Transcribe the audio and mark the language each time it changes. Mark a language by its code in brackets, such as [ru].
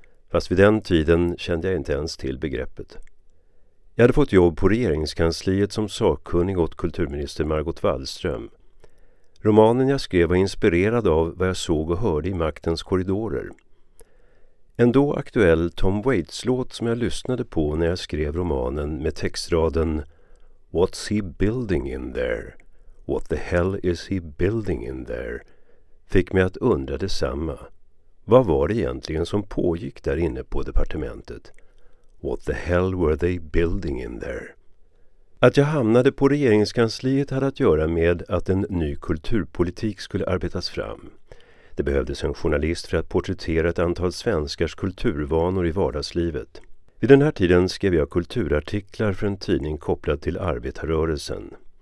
[sv] Fast vid den tiden kände jag inte ens till begreppet. Jag hade fått jobb på regeringskansliet som sakkunnig åt kulturminister Margot Wallström. Romanen jag skrev var inspirerad av vad jag såg och hörde i maktens korridorer. En då aktuell Tom Waits-låt som jag lyssnade på när jag skrev romanen med textraden [en] "What's he building in there? What the hell is he building in there?" [sv] fick mig att undra detsamma. Vad var det egentligen som pågick där inne på departementet? [en] What the hell were they building in there? [sv] Att jag hamnade på regeringskansliet hade att göra med att en ny kulturpolitik skulle arbetas fram. Det behövdes en journalist för att porträttera ett antal svenskars kulturvanor i vardagslivet. Vid den här tiden skrev jag kulturartiklar för en tidning kopplad till arbetarrörelsen.